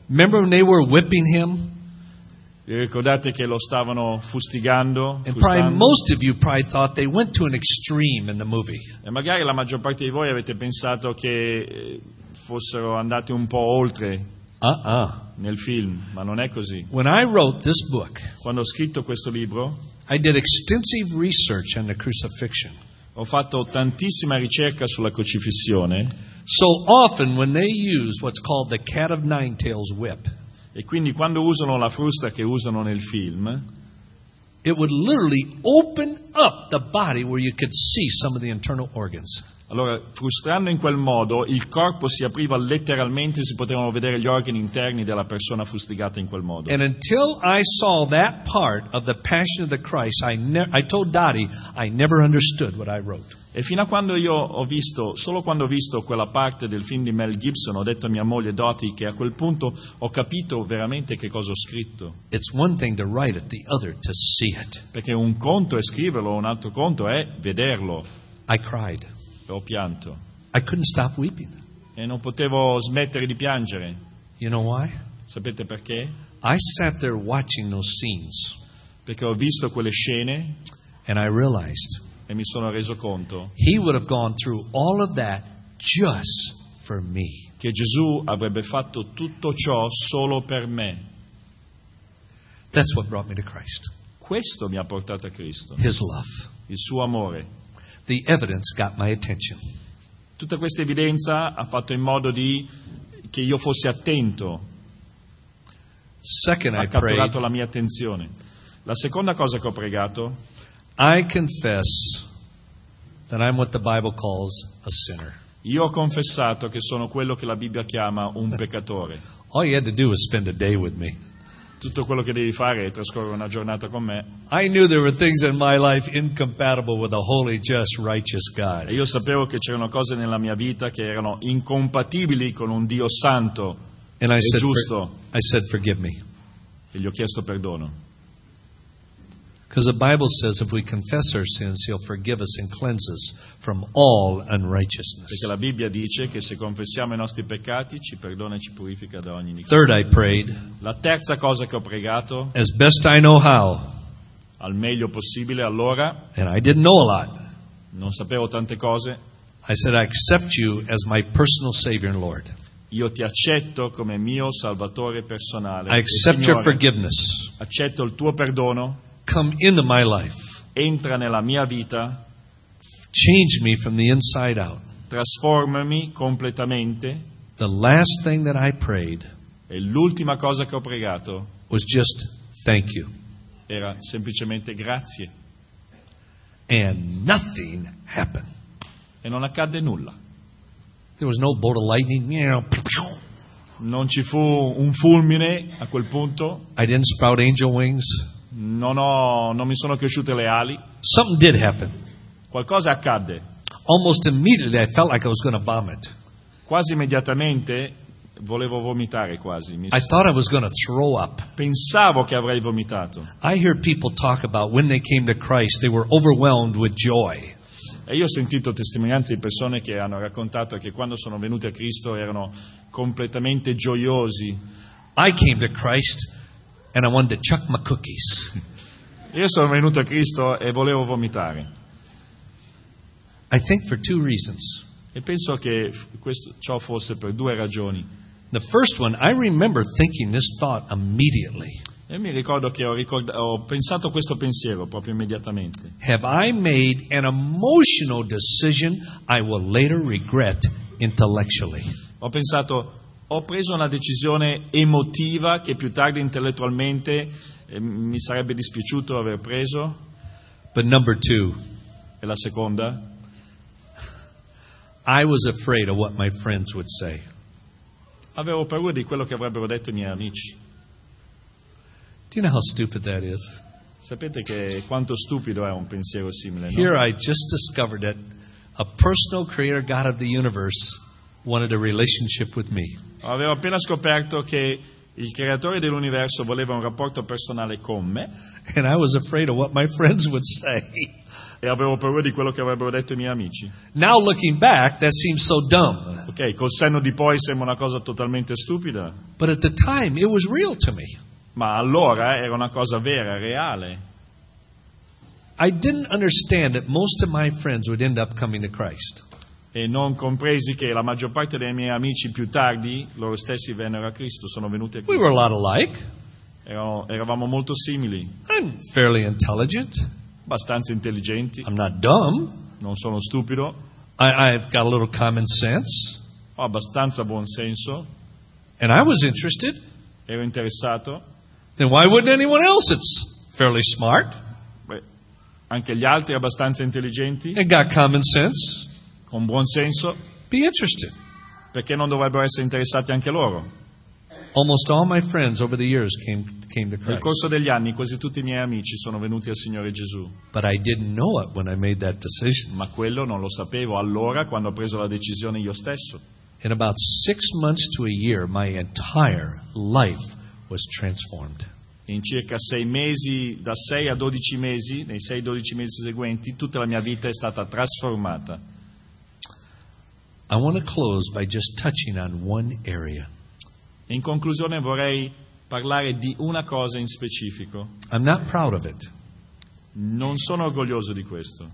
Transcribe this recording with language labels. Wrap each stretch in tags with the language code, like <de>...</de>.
<en>Remember when they were whipping him?</en> <it>Vi ricordate che lo stavano fustigando?</it> <en>And probably most of you probably thought they went to an extreme in the movie.</en> <it>E magari la maggior parte di voi avete pensato che fossero andati un po' oltre. Nel film, ma non è così.</it> <en>When I wrote this book,</en> <it>quando ho scritto questo libro,</it> <en>I did extensive research on the crucifixion.</en> <it>Ho fatto tantissima ricerca sulla crocifissione.</it> <en>So often when they use what's called the cat of nine tails whip,</en> <it>e quindi quando usano la frusta che usano nel film,</it> <en>it would literally open up the body where you could see some of the internal organs.</en> <it>Allora, frustrando in quel modo, il corpo si apriva letteralmente e si potevano vedere gli organi interni della persona fustigata in quel modo.</it> <en>And until I saw that part of the Passion of the Christ, I told Dottie I never understood what I wrote.</en> <it>E fino a quando io ho visto, solo quando ho visto quella parte del film di Mel Gibson, ho detto a mia moglie Dottie che a quel punto ho capito veramente che cosa ho scritto.</it> <en>It's one thing to write it, the other to see it.</en> <it>Perché un conto è scriverlo, un altro conto è vederlo.</it> <en>I cried.</en> <it>Ho pianto.</it> <en>I couldn't stop weeping.</en> <it>E non potevo smettere di piangere.</it> <en>You know why?</en> <it>Sapete perché?</it> <en>I sat there watching those scenes.</en> <it>Perché ho visto quelle scene.</it> <en>And I realized.</en> <it>E mi sono reso conto.</it> <en>He would have gone through all of that just for me.</en> <it>Che Gesù avrebbe fatto tutto ciò solo per me.</it> <en>That's what brought me to Christ.</en> <it>Questo mi ha portato a Cristo.</it> <en>His love.</en> <it>Il suo amore.</it> <en>The evidence got my attention.</en> <it>Tutta questa evidenza ha fatto in modo di che io fossi attento.</it> <en>Second,</en> <it>ha catturato la mia attenzione. La seconda cosa che ho pregato,</it> <en>I confess that I'm what the Bible calls a sinner.</en> <it>Io ho confessato che sono quello che la Bibbia chiama un peccatore.</it> <en>All you had to do was spend a day with me.</en> <it>Tutto quello che devi fare è trascorrere una giornata con me.</it> <en>I knew there were things in my life incompatible with a holy, just, righteous God.</en> <it>E io sapevo che c'erano cose nella mia vita che erano incompatibili con un Dio santo</it> <en>and</en> <it>e</it> <en>I said,</en> <it>giusto.</it> <en>I said, forgive me.</en> <it>E gli ho chiesto perdono.</it> <en>Because the Bible says if we confess our sins, He'll forgive us and cleanse us from all unrighteousness.</en> <it>Perché la Bibbia dice che se confessiamo i nostri peccati, ci perdona e ci purifica da ogni iniquità.</it> <en>Third, I prayed.</en> <it>La terza cosa che ho pregato.</it> <en>As best I know how.</en> <it>Al meglio possibile, allora.</it> <en>And I didn't know a lot.</en> <it>Non sapevo tante cose.</it> <en>I said, I accept you as my personal Savior and Lord.</en> <it>Io ti accetto come mio Salvatore personale.</it> <en>I accept</en> <it>Signore,</it> <en>your forgiveness.</en> <it>Accetto il tuo perdono.</it> <en>Come into my life.</en> <it>Entra nella mia vita.</it> <en>Change me from the inside out.</en> <it>Trasformami completamente.</it> <en>The last thing that I prayed.</en> <it>E l'ultima cosa che ho pregato.</it> <en>Was just thank you.</en> <it>Era semplicemente grazie.</it> <en>And nothing happened.</en> <it>E non accadde nulla.</it> <en>There was no bolt of lightning.</en> <it>Non ci fu un fulmine a quel punto.</it> <en>I didn't sprout angel wings.</en> <it>Non mi sono cresciute le ali.</it> <en>Something did happen.</en> <it>Qualcosa accadde.</it> <en>Almost immediately I felt like I was going to vomit.</en> <it>Quasi immediatamente volevo vomitare quasi.</it> <en>I thought I was going to throw up.</en> <it>Pensavo che avrei vomitato.</it> <en>I hear people talk about when they came to Christ they were overwhelmed with joy.</en> <it>E io ho sentito testimonianze di persone che hanno raccontato che quando sono venuti a Cristo erano completamente gioiosi.</it> <en>I came to Christ and I wanted to chuck my cookies.</en> <it>Io sono venuto a Cristo e volevo vomitare.</it> <en>I think for two reasons.</en> <it>E penso che ciò fosse per due ragioni.</it> <en>The first one, I remember thinking this thought immediately.</en> <it>E mi ricordo che ho pensato questo pensiero proprio immediatamente.</it> <en>Have I made an emotional decision I will later regret intellectually?</en> <it>Ho pensato, ho preso una decisione emotiva che più tardi intellettualmente mi sarebbe dispiaciuto aver preso.</it> <en>But number two,</en> <it>e la seconda,</it> <en>I was afraid of what my friends would say.</en> <it>Avevo paura di quello che avrebbero detto i miei amici.</it> <en>Do you know how stupid that is?</en> <it>Sapete che quanto stupido è un pensiero simile, no?</it> <en>Here I just discovered that a personal creator, God of the universe, wanted a relationship with me.</en> <it>Avevo appena scoperto che il creatore dell'universo voleva un rapporto personale con me.</it> <en>And I was afraid of what my friends would say.</en> <it>E avevo paura di quello che avrebbero detto i miei amici.</it> <en>Now looking back, that seems so dumb.</en> <it>Ok, col senno di poi sembra una cosa totalmente stupida.</it> <en>But at the time, it was real to me.</en> <it>Ma allora era una cosa vera, reale.</it> <en>I didn't understand that most of my friends would end up coming to Christ.</en> <it>E non compresi che la maggior parte dei miei amici più tardi loro stessi vennero a Cristo, sono venuti a Cristo.</it> <en>We were a lot alike.</en> <it>Eravamo molto simili.</it> <en>I'm fairly intelligent.</en> <it>Abbastanza intelligenti.</it> <en>I'm not dumb.</en> <it>Non sono stupido.</it> <en>I've got a little common sense.</en> <it>Ho abbastanza buon senso.</it> <en>And I was interested.</en> <it>Ero interessato.</it> <en>Then why wouldn't anyone else that's fairly smart?</en> <it>Beh, anche gli altri abbastanza intelligenti.</it> <en>And got common sense.</en> <it>Con buon senso.</it> <en>Be interested.</en> <it>Perché non dovrebbero essere interessati anche loro?</it> <en>Almost all my friends over the years came to Christ.</en> <it>Nel corso degli anni quasi tutti i miei amici sono venuti al Signore Gesù.</it> <en>But I didn't know it when I made that decision.</en> <it>Ma quello non lo sapevo allora quando ho preso la decisione io stesso.</it> <en>In about 6 months to a year my entire life was transformed.</en> <it>In circa 6 mesi, da 6 a 12 mesi, nei 6-12 mesi seguenti, tutta la mia vita è stata trasformata.</it> <en>I want to close by just touching on one area.</en> <it>In conclusione vorrei parlare di una cosa in specifico.</it> <en>I'm not proud of it.</en> <it>Non sono orgoglioso di questo.</it>